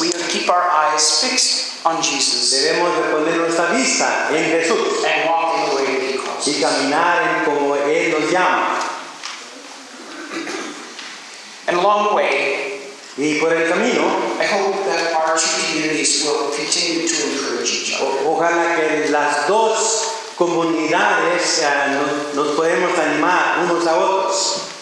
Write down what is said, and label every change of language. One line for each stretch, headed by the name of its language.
English: we have to keep our eyes fixed on Jesus.
Spanish: Debemos de poner nuestra vista en Jesús.
English: And walk in the way that he calls.
Spanish: Y caminar en como él nos llama.
English: And along the way,
Spanish: y por el camino,
English: I hope that our two communities will continue to encourage each other.
Spanish: Ojalá que las dos comunidades nos podemos animar unos a otros.